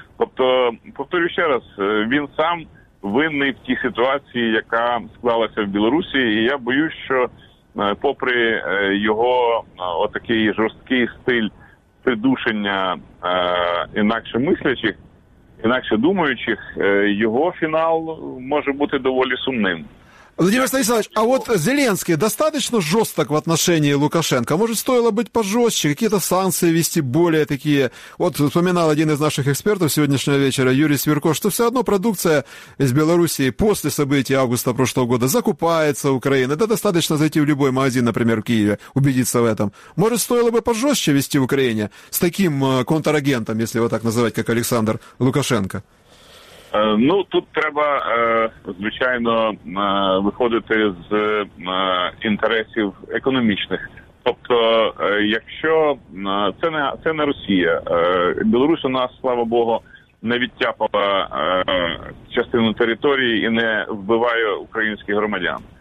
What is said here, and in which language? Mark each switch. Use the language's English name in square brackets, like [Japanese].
[Ukrainian] Тобто, повторюю ще раз, він сам винний в тій ситуації, яка склалася в Білорусі, і я боюсь, що попри його отакий жорсткий стиль придушення інакше мислячих, інакше думаючих, його фінал може бути доволі сумним. [Russian] Владимир Станиславович, а вот Зеленский достаточно жесток в отношении Лукашенко? Может, стоило быть пожестче, какие-то санкции вести более такие? Вот вспоминал один из наших экспертов сегодняшнего вечера, Юрий Свирко, что все одно продукция из Белоруссии после событий августа прошлого года закупается Украиной. Да достаточно зайти в любой магазин, например, в Киеве, убедиться в этом. Может, стоило бы пожестче вести в Украине с таким контрагентом, если его так называть, как Александр Лукашенко? [Ukrainian] Тут треба, звичайно, виходити з інтересів економічних. Тобто, якщо це не Росія, Білорусь у нас, слава Богу, не відтяпала частину території і не вбиває українських громадян.